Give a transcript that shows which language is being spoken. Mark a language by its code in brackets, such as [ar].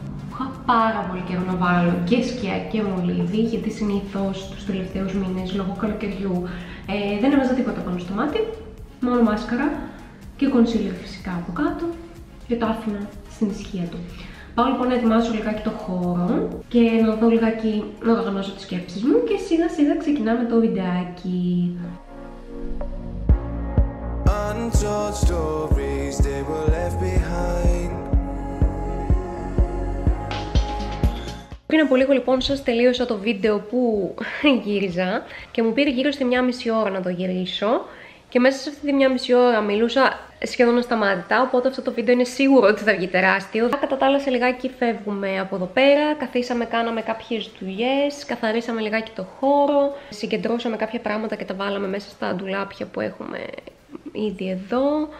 [el] Είχα πάρα πολύ καιρό να βάλω και σκιά και μολύβι, γιατί συνήθως τους τελευταίους μήνες λόγω καλοκαιριού δεν έβαζα τίποτα πάνω στο μάτι. Μόνο μάσκαρα και κονσίλερ φυσικά από κάτω. Και το άφηνα στην ησυχία του. Πάω λοιπόν να ετοιμάσω λιγάκι το χώρο και να δω λιγάκι, να οργανώσω τις σκέψεις μου και σιγά σιγά ξεκινάμε το βιντεάκι. [en] Untold stories, they were left behind. [el] Πριν από λίγο λοιπόν σας τελείωσα το βίντεο που γύριζα και μου πήρε γύρω στη μια μισή ώρα να το γυρίσω. Και μέσα σε αυτή τη μια μισή ώρα μιλούσα σχεδόν ασταμάτητα, οπότε αυτό το βίντεο είναι σίγουρο ότι θα βγει τεράστιο. Κατά τα άλλα, σε λιγάκι φεύγουμε από εδώ πέρα, καθίσαμε, κάναμε κάποιες δουλειές, καθαρίσαμε λιγάκι το χώρο, συγκεντρώσαμε κάποια πράγματα και τα βάλαμε μέσα στα ντουλάπια που έχουμε ήδη εδώ.